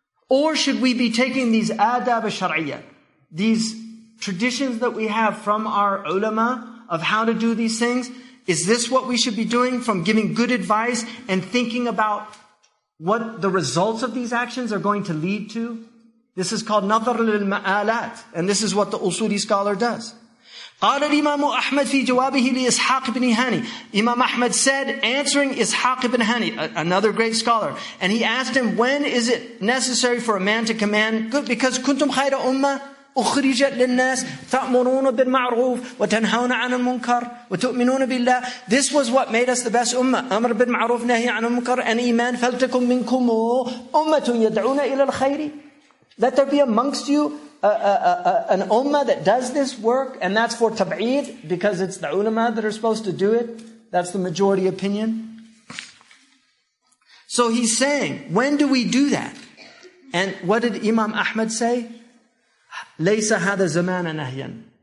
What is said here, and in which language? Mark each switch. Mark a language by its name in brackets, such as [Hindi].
[English] Or should we be taking these adab al-shar'iyya, these traditions that we have from our ulama of how to do these things? Is this what we should be doing, from giving good advice and thinking about what the results of these actions are going to lead to? This is called nazar lil ma'alat, and this is what the usuli scholar does. [Arabic] قال الإمام أحمد في جوابه لإسحاق بن هاني. [English] Imam Ahmad said, answering Ishaq ibn Hani, another great scholar, and he asked him, when is it necessary for a man to command good? Because [Arabic] كنتم خير أمة أخرجت للناس تأمرون بالمعروف وتنهون عن المنكر وتؤمنون بالله. [English] This was what made us the best أمة. [Arabic] أمر بالمعروف نهي عن المنكر أن إيمان فلتكم منكم أمة يدعون إلى الخير. [English] Let there be amongst you an ummah that does this work, and that's for tab'eed, because it's the ulama that are supposed to do it. That's the majority opinion. So he's saying, when do we do that? And what did Imam Ahmad say? [Arabic] Laysa hadha zamana nahyan.